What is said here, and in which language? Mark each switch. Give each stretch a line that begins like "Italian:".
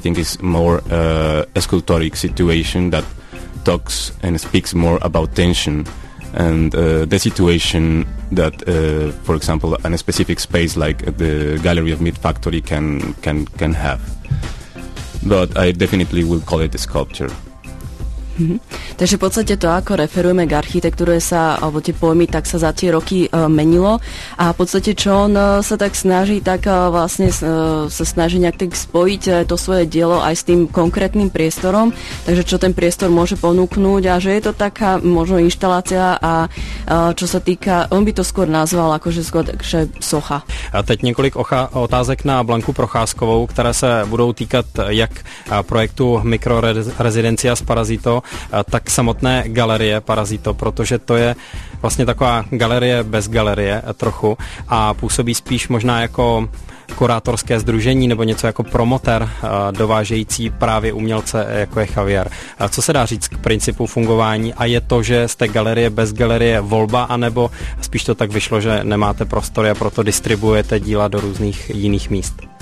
English: I think it's more a sculptoric situation that talks and speaks more about tension and the situation that, for example, in a specific space like the Gallery of Meat Factory can have. But I definitely will call it a sculpture.
Slovak: Takže v podstate to, ako referujeme k architektúre sa, alebo tie pojmy, tak sa za tie roky menilo a v podstate čo on sa tak snaží, tak vlastne sa snaží nejak tak spojiť to svoje dielo aj s tým konkrétnym priestorom, takže čo ten priestor môže ponúknuť a že je to taká možno inštalácia a čo sa týka, on by to skôr nazval akože socha.
Czech: A teď niekoľk otázek na Blanku Procházkovou, ktoré sa budú týkať jak projektu Mikrorezidencia z Parasito, tak samotné galerie Parazito, protože to je vlastně taková galerie bez galerie trochu a působí spíš možná jako kurátorské sdružení nebo něco jako promoter dovážející právě umělce, jako je Javier. A co se dá říct k principu fungování a je to, že z té galerie bez galerie volba, anebo spíš to tak vyšlo, že nemáte prostory a proto distribuujete díla do různých jiných míst?